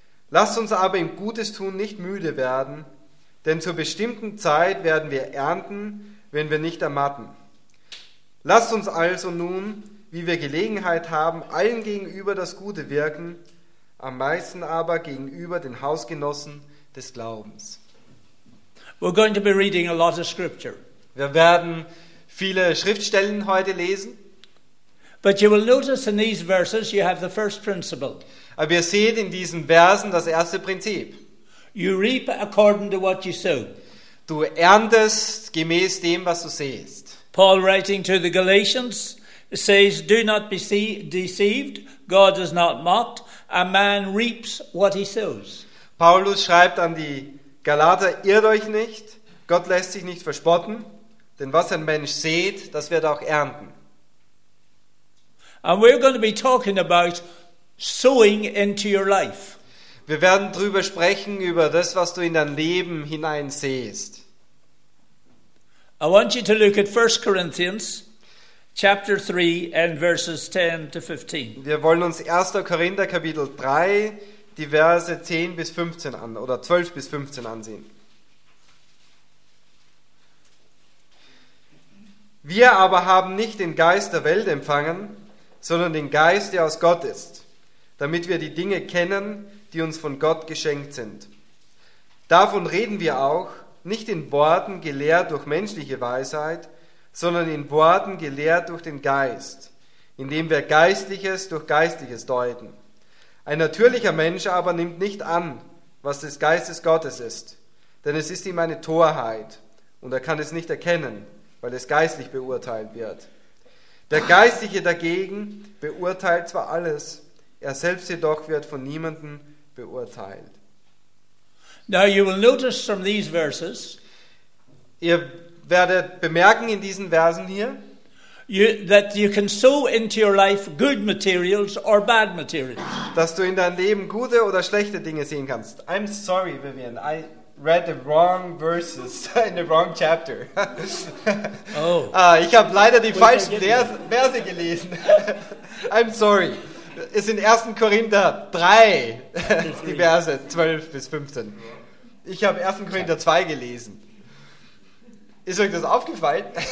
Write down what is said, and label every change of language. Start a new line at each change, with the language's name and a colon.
German: Lasst uns aber im Gutes tun nicht müde werden, denn zur bestimmten Zeit werden wir ernten, wenn wir nicht ermatten. Lasst uns also nun, wie wir Gelegenheit haben, allen gegenüber das Gute wirken, am meisten aber gegenüber den Hausgenossen des Glaubens.
English: We're going to be reading a lot of scripture.
German: Wir werden viele Schriftstellen heute lesen.
English: But you will notice in these verses you have the first principle.
German: Aber ihr seht in diesen Versen das erste Prinzip.
English: You reap according to what you sow.
German: Du erntest gemäß dem, was du sähst.
English: Paul writing to the Galatians says, do not be deceived, God is not mocked, a man reaps what he sows.
German: Paulus schreibt an die Galater, irrt euch nicht, Gott lässt sich nicht verspotten, denn was ein Mensch sät, das wird er auch ernten.
English: And we're going to be talking about sowing into your life.
German: Wir werden drüber sprechen über das, was du in dein Leben hineinsehst.
English: I want you to look at 1 Corinthians chapter 3 and verses 10 to 15.
German: Wir wollen uns 1. Korinther Kapitel 3 die Verse 10 bis 15 an oder 12 bis 15 ansehen. Wir aber haben nicht den Geist der Welt empfangen, sondern den Geist, der aus Gott ist, damit wir die Dinge kennen, die uns von Gott geschenkt sind. Davon reden wir auch, nicht in Worten gelehrt durch menschliche Weisheit, sondern in Worten gelehrt durch den Geist, indem wir Geistliches durch Geistliches deuten. Ein natürlicher Mensch aber nimmt nicht an, was des Geistes Gottes ist, denn es ist ihm eine Torheit, und er kann es nicht erkennen, weil es geistlich beurteilt wird. Der Geistliche dagegen beurteilt zwar alles, er selbst jedoch wird von niemandem beurteilt.
English: Now you will notice from these verses,
German: ihr werdet bemerken in diesen Versen hier,
English: that you can sow into your life good materials or bad materials.
German: Dass du in dein Leben gute oder schlechte Dinge sehen kannst.
English: I'm sorry, Vivian, I read the wrong verses in the wrong chapter. Oh.
German: Ich habe leider die falschen Verse gelesen.
English: I'm sorry.
German: Es sind 1. Korinther 3, die Verse 12 bis 15. Ich habe 1. Korinther 2 gelesen. Ist euch das aufgefallen?